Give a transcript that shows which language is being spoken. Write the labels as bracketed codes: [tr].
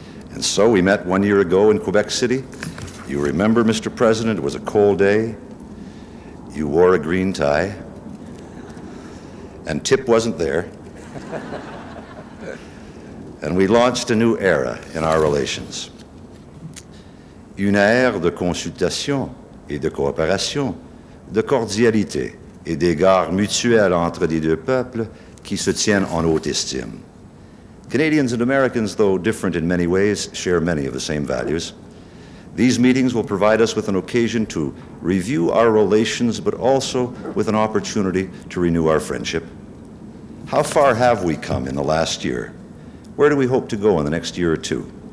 [en] And so we met 1 year ago in Quebec City. You remember, Mr. President, it was a cold day. You wore a green tie. And Tip wasn't there. And we launched a new era in our relations. [fr] Une ère de consultation et de coopération, de cordialité et d'égards mutuels entre les deux peuples qui se tiennent en haute estime. [en] Canadians and Americans, though different in many ways, share many of the same values. These meetings will provide us with an occasion to review our relations, but also with an opportunity to renew our friendship. How far have we come in the last year? Where do we hope to go in the next year or two?